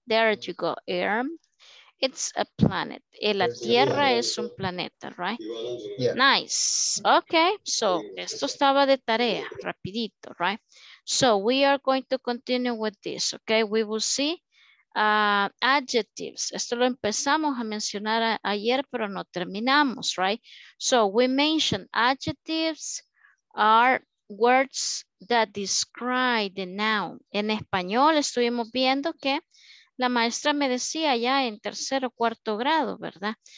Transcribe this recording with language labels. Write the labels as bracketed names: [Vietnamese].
[English] There you go, Earth, it's a planet. [Spanish] Y la Tierra es un planeta, [English] right? Yeah. [Spanish] Nice, okay, so esto estaba de tarea, rapidito, right? [English] So we are going to continue with this, okay? We will see. Adjectives. [Spanish] Esto lo empezamos a mencionar ayer, pero no terminamos, right? [English] So we mentioned adjectives are words that describe the noun. [Spanish] En español estuvimos viendo que la maestra me decía ya en tercer o cuarto grado, ¿verdad?